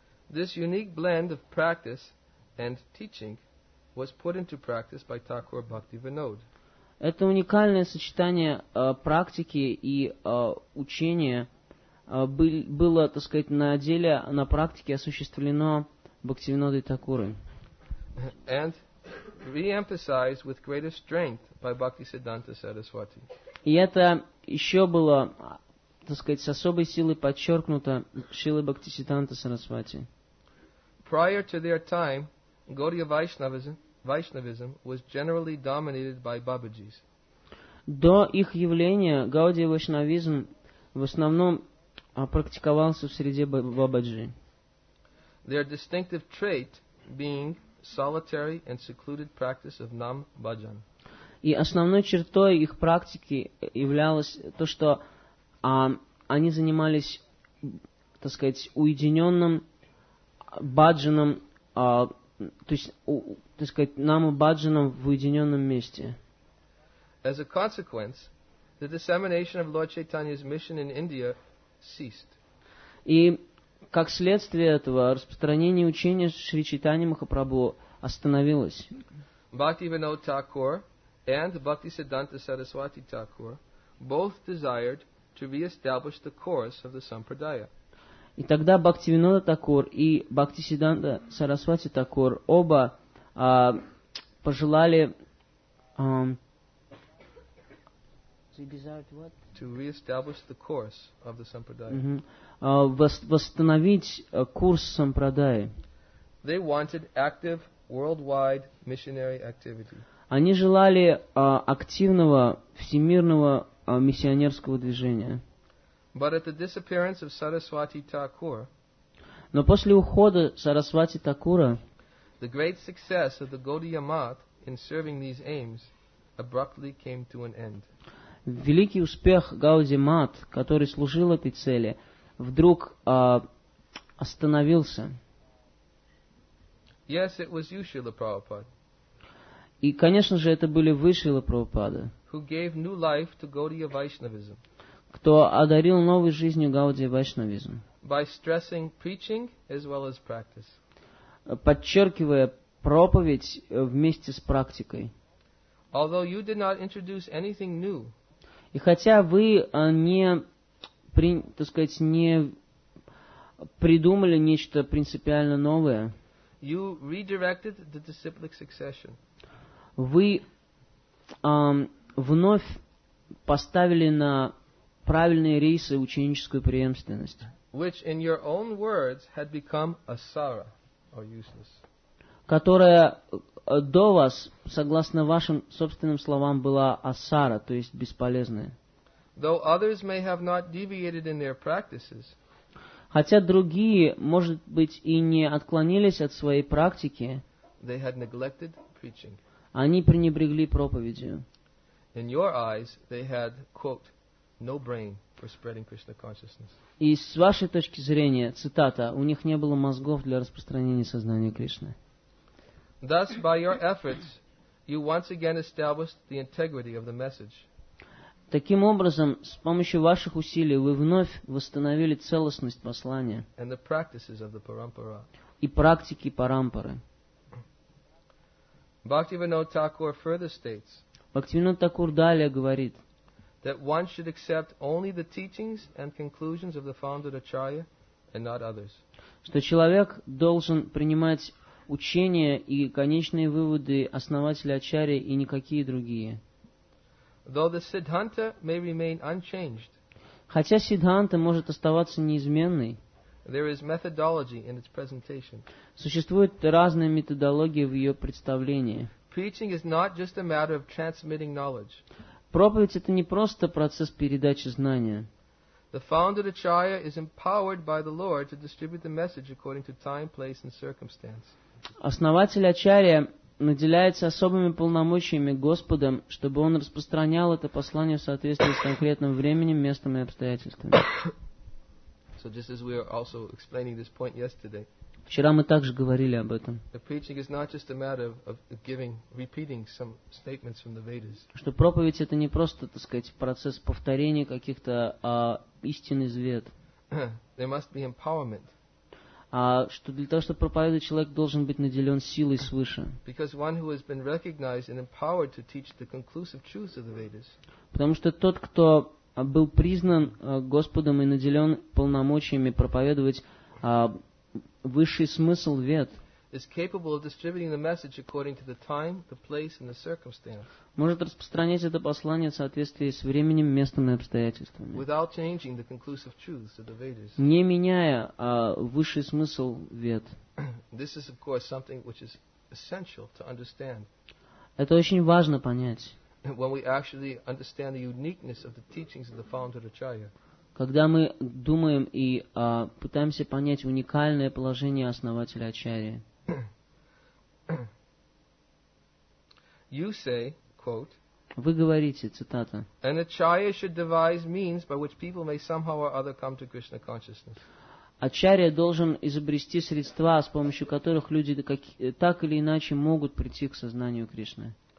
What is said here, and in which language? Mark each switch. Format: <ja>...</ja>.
<en>This unique blend of practice and teaching was put into practice by Thakur Bhaktivinoda.</en> <ru>Это уникальное сочетание практики и учения было, так сказать, на деле, на практике осуществлено Бхактивинодой Такурой.</ru> <en>And re-emphasized with greater strength by Bhaktisiddhanta Sarasvati.</en> <ru>И это еще было, так сказать, с особой силой подчеркнуто Шрилой Бхактисиддханта Сарасвати.</ru> <en>Prior to their time, Gaudiya Vaishnavism was generally dominated by Babaji's.</en> <ru>До их явления Гаудия Вайшнавизм в основном практиковался в среде Бабаджи.</ru> <en>Their distinctive trait being solitary and secluded practice of Nam Bhajan.</en> <ru>И основной чертой их практики являлось то, что они занимались, так сказать, уединенным баджаном, то есть наму баджаном в уединенном месте.</ru> <en>As a consequence, the dissemination of Lord Chaitanya's mission in India ceased.</en> <ru>И как следствие этого распространение учения Шри Чайтаньи Махапрабху остановилось.</ru> <en>Bhaktivinoda Thakur and Bhaktisiddhanta Saraswati Thakur both desired to re-establish the course of the Sampradaya.</en> <ru>И тогда Бхактивинода Такур и Бхактисиддханта Сарасвати Такур оба пожелали</ru> <en>to re-establish the course of the Sampradaya.</en> <ru>Восстановить курс Сампрадаи.</ru> <en>They wanted active worldwide missionary activity.</en> <ru>Они желали активного всемирного миссионерского движения.</ru> <en>But at the disappearance of Saraswati Thakur,</en> <ru>но после ухода Сарасвати Такура,</ru> <en>the great success of the Gaudiya Math in serving these aims abruptly came to an end.</en> <ru>Великий успех Гауди Мат, который служил этой цели, вдруг остановился.</ru> <en>Yes, it was you, Srila Prabhupada.</en> <ru>И, конечно же, это были вы, Шрила Прабхупада,</ru> <en>who gave new life to Gaudiya Vaishnavism,</en> <ru>кто одарил новой жизнью Гаудия Вайшнавизм,</ru> <en>by stressing preaching as well as practice,</en> <ru>подчеркивая проповедь вместе с практикой.</ru> <en>Although you did not introduce anything new,</en> <ru>и хотя вы не придумали нечто принципиально новое,</ru> <en>you redirected the disciplic succession.</en> <ru>Вы вновь поставили на правильные рейсы ученическую преемственность,</ru> <en>which in your own words had become asara, or useless.</en> <ru>которая до вас, согласно вашим собственным словам, была асара, то есть бесполезная.</ru> <en>Though others may have not deviated in their practices,</en> <ru>хотя другие, может быть, и не отклонились от своей практики,</ru> <en>they had neglected preaching.</en> <ru>Они пренебрегли проповедью.</ru> <en>In your eyes, they had, quote, no brain for spreading Krishna consciousness.</en> <ru>И с вашей точки зрения, цитата, у них не было мозгов для распространения сознания Кришны.</ru> <en>Thus, by your efforts, you once again established the integrity of the message.</en> <ru>Таким образом, с помощью ваших усилий вы вновь восстановили целостность послания</ru> <en>and the practices of the parampara.</en> <ru>И практики парампары.</ru> <en>Бхактивинода Тхакур further states,</en> <ru>Бхактивинода Тхакур далее говорит,</ru> <en>that one should accept only the teachings and conclusions of the founded acharya and not others.</en> <ru>Что человек должен принимать учения и конечные выводы основателя ачарьи и никакие другие.</ru> <en>Though the Siddhanta may remain unchanged,</en> <ru>хотя Сиддханта может оставаться неизменной,</ru> <en>there is methodology in its presentation.</en> <ru>Существует разная методология в ее представлении.</ru> <en>Preaching is not just a matter of transmitting knowledge.</en> <ru>Проповедь – это не просто процесс передачи знания.</ru> <en>The founded acharya is empowered by the Lord to distribute the message according to time, place and circumstance.</en> <ru>Основатель ачарья наделяется особыми полномочиями Господом, чтобы он распространял это послание в соответствии с конкретным временем, местом и обстоятельствами.</ru> <en>So just as we were also explaining this point yesterday,</en> <ru>вчера мы также говорили об этом.</ru> <en>The preaching is not just a matter of giving, repeating some statements from the Vedas.</en> <ru>Что проповедь это не просто, так сказать, процесс повторения каких-то истин из Вед.</ru> <en>There must be empowerment.</en> <ru>А что для того, чтобы проповедовать, человек должен быть наделен силой свыше.</ru> <en>Because one who has been recognized and empowered to teach the conclusive truths of the Vedas.</en> <ru>Потому что тот, кто был признан Господом и наделен полномочиями проповедовать высший смысл Вед,</ru> <en>is capable of distributing the message according to the time, the place, and the circumstance.</en> <ru>Может распространять это послание в соответствии с временем, местом и обстоятельствами.</ru> <en>Without changing the conclusive truths of the Vedas.</en> <ru>Не меняя высший смысл Вед.</ru> <en>This is, of course, something which is essential to understand.</en> <ru>Это очень важно понять.</ru> <en>When we actually understand the uniqueness of the teachings of the founder Acharya.</en> <ru>Когда мы думаем и пытаемся понять уникальное положение основателя Ачарьи.</ru> <en>You say, quote,</en> <ru>вы говорите, цитата,</ru> <en>an Acharya should devise means by which people may somehow or other come to Krishna consciousness.</en> <ru>Ачарья должен изобрести средства, с помощью которых люди так или иначе могут прийти к сознанию Кришны.</ru>